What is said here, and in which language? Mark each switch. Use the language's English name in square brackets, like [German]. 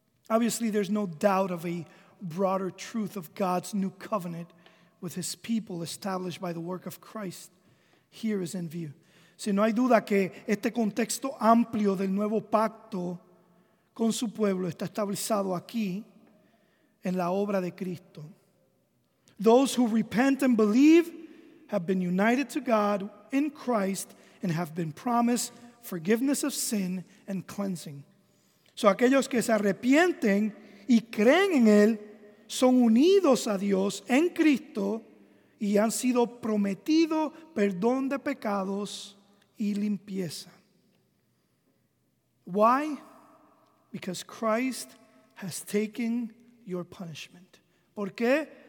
[English] Obviously, there's no doubt of a broader truth of God's new covenant with his people established by the work of Christ. Here is in view. [Spanish] Si no hay duda que este contexto amplio del nuevo pacto con su pueblo está establecido aquí en la obra de Cristo. [English] Those who repent and believe have been united to God in Christ and have been promised forgiveness of sin and cleansing. [Spanish] So aquellos que se arrepienten y creen en Él son unidos a Dios en Cristo y han sido prometido perdón de pecados y limpieza. [English] Why? Because Christ has taken your punishment. [Spanish] ¿Por qué?